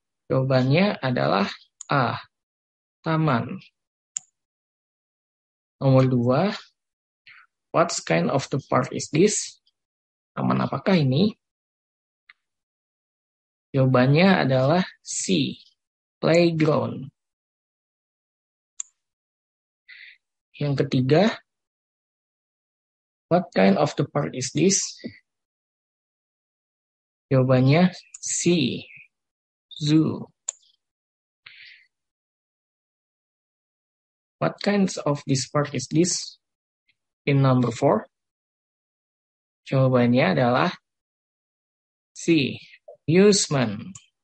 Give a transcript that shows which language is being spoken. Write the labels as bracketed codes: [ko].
[id] Jawabannya adalah A, taman. Nomor 2, [en] what kind of the park is this? [id] Taman apakah ini? Jawabannya adalah C, playground. Yang ketiga, [en] what kind of the park is this? [id] Jawabannya C, zoo. [en] What kinds of this park is this? In number 4, [id] jawabannya adalah [en] C, amusement.